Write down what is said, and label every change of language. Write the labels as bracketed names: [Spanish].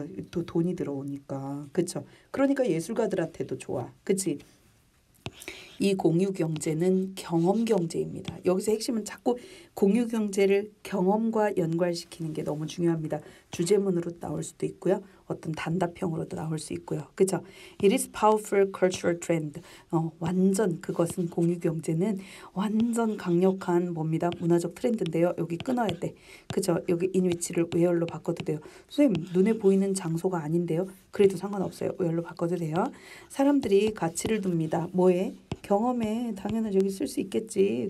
[Korean] 또 돈이 들어오니까. 그렇죠. 그러니까 예술가들한테도 좋아. 그렇지? 이 공유 경제는 경험 경제입니다. 여기서 핵심은 자꾸 공유 경제를 경험과 연관시키는 게 너무 중요합니다. 주제문으로 나올 수도 있고요. 어떤 단답형으로도 나올 수 있고요. 그렇죠? [English] It is powerful cultural trend. [Korean] 완전 그것은 공유 경제는 완전 강력한 뭡니다. 문화적 트렌드인데요. 여기 끊어야 돼. 그렇죠? 여기 in which를 where로 바꿔도 돼요. 선생님 눈에 보이는 장소가 아닌데요. 그래도 상관없어요. where로 바꿔도 돼요. 사람들이 가치를 둡니다. 뭐에? 경험에 당연히 여기 쓸 수 있겠지.